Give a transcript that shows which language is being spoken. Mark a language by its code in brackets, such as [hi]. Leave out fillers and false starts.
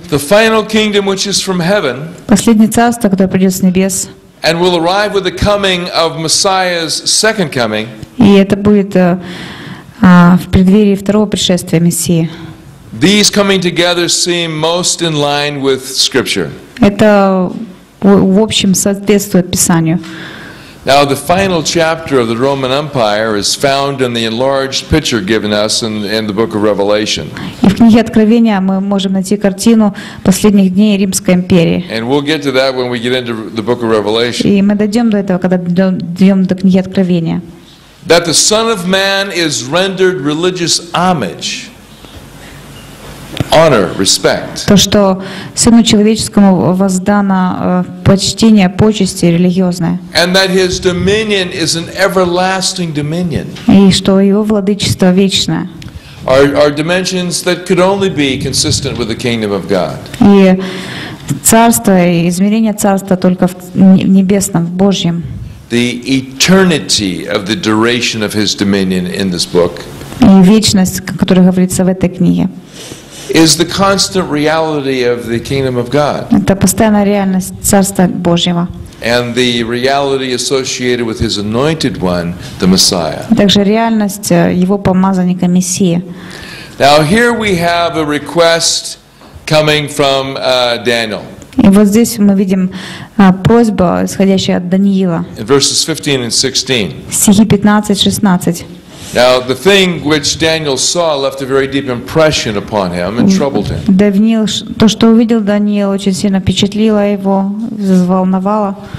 [en] The final kingdom which is from heaven. [ru] Последнее царство, которое придет с небес. [en] And will arrive with the coming of Messiah's second coming. [ru] И это будет в преддверии второго пришествия Мессии. [en] These coming together seem most in line with Scripture. [ru] Это в общем соответствует Писанию. [en] Now the final chapter of the Roman Empire is found in the enlarged picture given us in the book of Revelation. [ru] И в книге Откровения мы можем найти картину последних дней Римской империи. [en] And we'll get to that when we get into the book of Revelation. [ru] И мы дойдем до этого, когда дойдем до книги Откровения. [en] That the Son of Man is rendered religious homage, honor, respect. [ru] То, что Сыну человеческому воздано почтение, почести религиозное. [en] And that His dominion is an everlasting dominion. [ru] И что Его владычество вечное. [en] Are dimensions that could only be consistent with the kingdom of God. [ru] И царство, и измерение царства только в небесном, в Божьем. [en] The eternity of the duration of His dominion in this book. [ru] И вечность, о которой говорится в этой книге. [en] Is the constant reality of the kingdom of God. [ru] Это постоянная реальность царства Божьего. [en] And the reality associated with His anointed one, the Messiah. [ru] Также реальность Его помазанника Мессии. [en] Now here we have a request coming from Daniel. [ru] И вот здесь мы видим просьба, исходящая от Даниила. [en] In verses 15 and 16. [ru] Стихи 15-16. [en] Now the thing which Daniel saw left a very deep impression upon him and troubled him. [ru] Даниил, то, что увидел Даниил, очень сильно впечатлило его, взволновало.